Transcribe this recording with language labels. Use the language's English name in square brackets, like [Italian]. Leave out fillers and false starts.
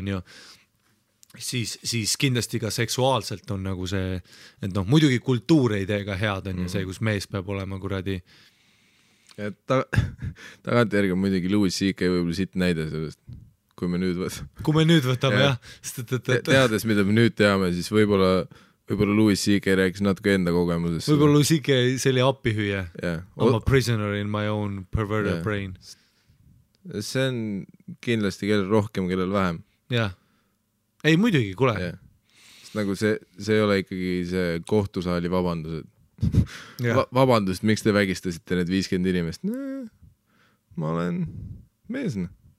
[Estonian] On ju, siis kindlasti ka seksuaalselt on nagu see, et noh, muidugi kultuur ei tee ka head on ja see, kus mees peab olema kuradi... Et tagant järgi on muidugi Louis C.K. võibolla siit näida sellest. Kui me nüüd võtame, jah. Teades, mida me nüüd teame, siis võibolla Louis C.K. rääkis natuke enda kogemusest. Võibolla Louis C.K. see oli appihüüe. [English] I'm a prisoner in my own perverted brain. [Estonian] See on kindlasti kellel rohkem, kellel vähem. Jah. Ei muidugi, kule. Jah. Nagu see ei ole ikkagi see kohtusaali vabandused. Vabandust, miks te vägistasite need 50 inimest? Ma olen meesne.